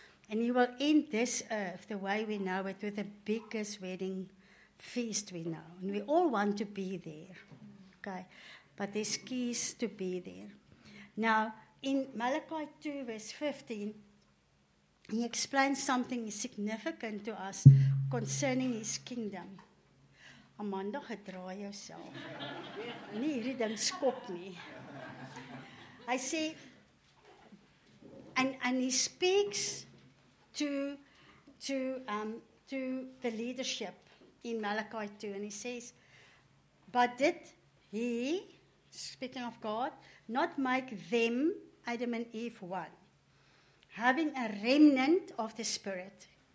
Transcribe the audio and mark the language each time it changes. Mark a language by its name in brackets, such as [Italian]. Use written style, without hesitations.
[English] And He will end this earth the way we know it, with the biggest wedding feast we know, and we all want to be there, okay, but there's keys to be there. Now, in Malachi 2, verse 15, He explains something significant to us concerning His kingdom. [Afrikaans] Amanda, gedraai yourself. Nee, hierdie ding skop nie. [English] I say, and He speaks to the leadership in Malachi 2, and He says, but did He, speaking of God, not make them, Adam and Eve, one, having a remnant of the Spirit?